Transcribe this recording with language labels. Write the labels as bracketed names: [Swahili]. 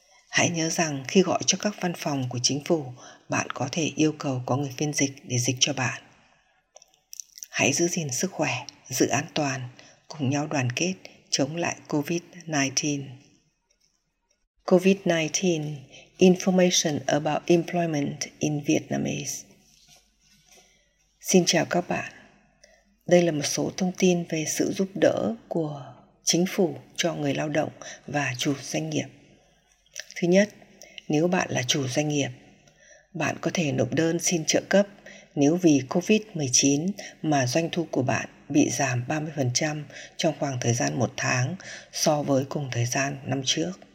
[Vietnamese] Hãy nhớ rằng khi gọi cho các văn phòng của chính phủ, bạn có thể yêu cầu có người phiên dịch để dịch cho bạn. Hãy giữ gìn sức khỏe, giữ an toàn, cùng nhau đoàn kết chống lại COVID-19. [English] COVID-19 Information about employment in Vietnamese. [Vietnamese] Xin chào các bạn. Đây là một số thông tin về sự giúp đỡ của chính phủ cho người lao động và chủ doanh nghiệp. Thứ nhất, nếu bạn là chủ doanh nghiệp. Bạn có thể nộp đơn xin trợ cấp nếu vì COVID-19 mà doanh thu của bạn bị giảm 30% trong khoảng thời gian 1 tháng so với cùng thời gian năm trước.